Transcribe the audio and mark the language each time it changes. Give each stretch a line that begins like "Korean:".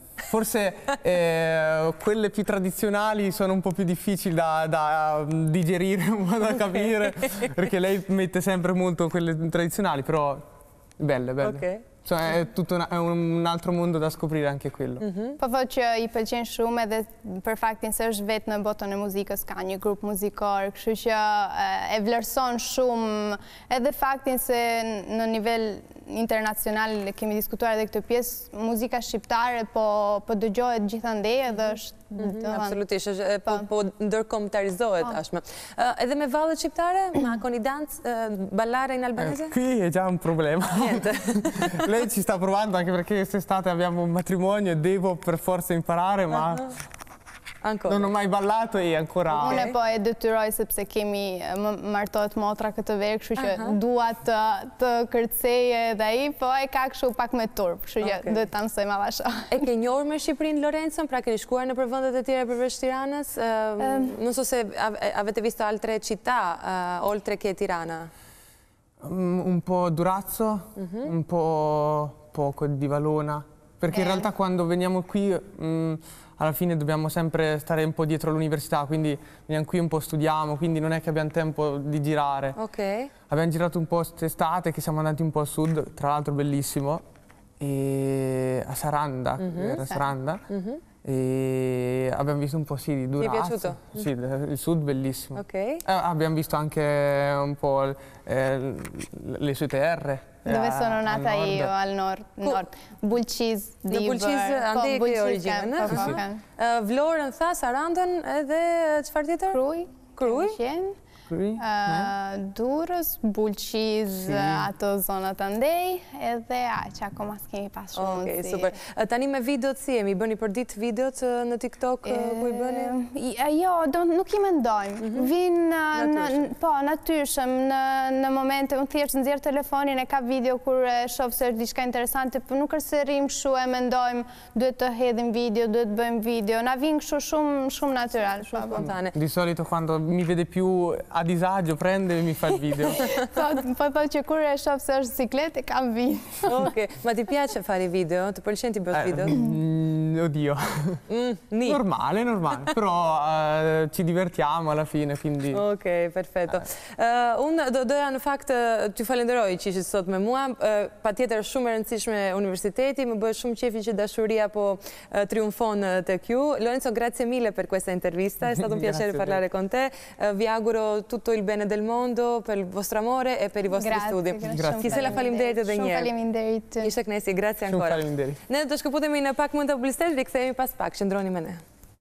Italian: Forse quelle più tradizionali sono un po' più difficili da digerire, da capire, perché lei mette sempre molto quelle tradizionali, però belle, belle. Okay. Cioè è tutto un altro mondo da scoprire anche quello.
Albanian: Po thot që i pëlqen shumë edhe për faktin se është vetë në botën e muzikës, ka një grup muzikor, kështu që e vlerëson shumë edhe faktin se në nivel internacional kemi diskutuar edhe këtë pjesë, muzika shqiptare po dëgjohet gjithandej edhe është absolutisht po ndërkombëtarizohet tashmë. Edhe me vallët shqiptare, ma koni dancë ballare in albanese?
Italian: Qui è già un problema. Niente. Lei ci sta provando anche perché quest'estate abbiamo un matrimonio e devo per forza imparare, ma ancora. Non ho mai ballato e ancora. Okay.
Albanian: Unë po e detyroj sepse kemi martohet motra këtë verë, kështu që dua të kërceje edhe ai, po e ka kështu pak me turp, kështu që duhet ta mësoj më avash. E ke njohur me Shqipërinë Lorenzon, pra keni shkuar në përvendet e tjera përveç Tiranës?
Italian: Non so se avete visto altre città oltre che Tirana. Un po' Durazzo, un po' poco di Valona, perché in realtà quando veniamo qui alla fine dobbiamo sempre stare un po' dietro all'università, quindi veniamo qui un po' studiamo, quindi non è che abbiamo tempo di girare. Ok. Abbiamo girato un po' quest'estate che siamo andati un po' a sud, tra l'altro bellissimo, e a Saranda, era Saranda. E abbiamo visto un po' sì di Durazzo. Ti è piaciuto? Sì, il sud bellissimo. Ok. Abbiamo visto anche un po' le sue terre. Dove sono nata al io, al nord.
Albanian: Bulqiz, Dibër.
Italian: Bulqiz, andi e origine. Sì, sì.
Albanian: Vlorën, tha, Sarandën, edhe qëfar tjetër? Kruj. Kruj. Durrës, Bulqiz, ato zonat andej, edhe që akoma s'kemi pas shumë mundësi. Okej, super. Tani me videot si jemi, bëni për ditë videot në TikTok, ku i bëni? Jo, nuk i mendojmë. Vinë natyrshëm, në momente, unë thjesht nxjerr telefonin e ka video kur e shoh se është diçka interesante, po nuk rrim kështu e mendojmë, duhet të hedhim video, duhet të bëjmë video. Na vinë kështu shumë natyral, shumë spontane.
Italian: Di solito, quando mi vede più a disagio, prende e mi fa il video.
Albanian: Po që kur e shoh se është ciklet e kam vin.
Italian: Okay, ma ti piace fare video?
Albanian: Ti pëlqen ti bësh video?
Italian: Oddio. Normale, normale, però ci divertiamo alla fine, quindi. Ok, perfetto.
Albanian: Un doja në fakt ti falenderoj që ishit sot me mua, patjetër shumë e rëndësishme universiteti, më bëhet shumë qefi që dashuria po triumfon tek ju.
Italian: Lorenzo, grazie mille per questa intervista, è stato un piacere parlare con te. Vi auguro tutto il bene del mondo per il vostro amore e per i vostri studi. Grazie.
Albanian: Kisela, faleminderit edhe një herë. Shumë faleminderit. Ishte kënaqësi,
Italian: grazie ancora.
Albanian: Shumë faleminderit. Ne do të shkëputemi në pak më të publicitet, rikthehemi pas pak, qëndroni me ne.